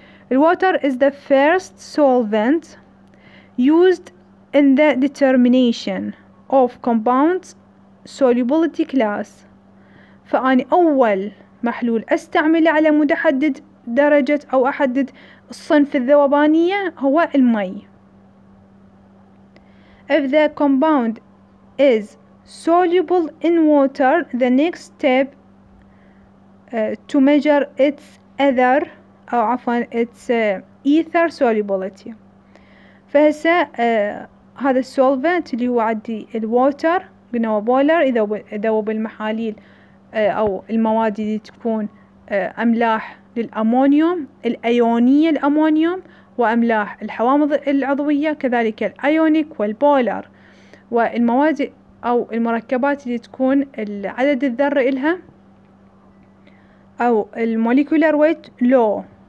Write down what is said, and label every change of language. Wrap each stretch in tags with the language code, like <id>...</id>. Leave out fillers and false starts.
<en>الواتر is the first solvent used in the determination of compounds solubility class.</en> <ar>فأني أول محلول أستعمله على مود أحدد درجة أو أحدد الصنف الذوبانية هو المي.</ar> <en>If the compound is soluble in water, the next step to measure its ether</en> <ar>أو عفواً</ar> <en>its ether solubility.</en> <ar>فهسا هذا السولفنت اللي هو عندي الووتر قلنا هو بولر، إذا ذوب المحاليل أو المواد اللي تكون أملاح للأمونيوم الأيونية الأمونيوم وأملاح الحوامض العضوية كذلك الأيونيك والبولر، والمواد أو المركبات اللي تكون عدد الذرة إلها أو الموليكولار ويت لو.</ar>